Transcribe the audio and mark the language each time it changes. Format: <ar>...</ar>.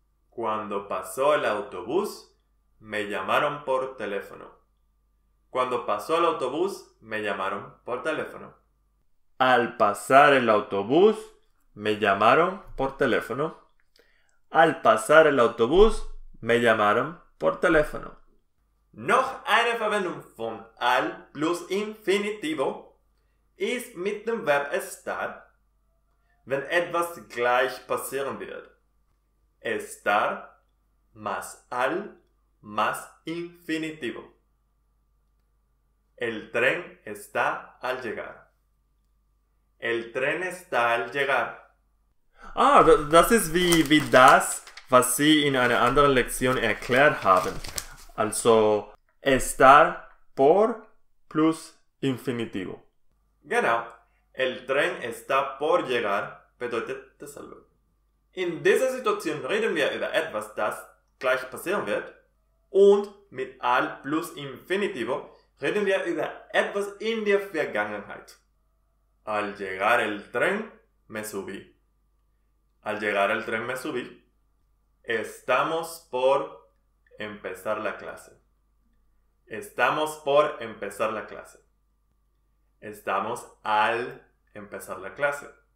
<es>Cuando pasó el autobús, me llamaron por teléfono. Cuando pasó el autobús, me llamaron por teléfono. Al pasar el autobús, me llamaron por teléfono. Al pasar el autobús, me llamaron por teléfono.</es> <de>Noch eine Verwendung von al plus infinitivo ist mit dem Verb estar, wenn etwas gleich passieren wird.</de> <es>Estar más al más infinitivo. El tren está al llegar. El tren está al llegar.</es> <de>Ah, das ist wie das, was Sie in einer anderen Lektion erklärt haben. Also, estar por plus infinitivo. Genau.</de> <es>El tren está por llegar</es> <de>bedeutet dasselbe. In dieser Situation reden wir über etwas, das gleich passieren wird. Und mit al plus infinitivo reden wir über etwas in der Vergangenheit.</de> <es>Al llegar el tren, me subí. Al llegar el tren, me subí. Estamos por empezar la clase. Estamos por empezar la clase. Estamos al empezar la clase.</es>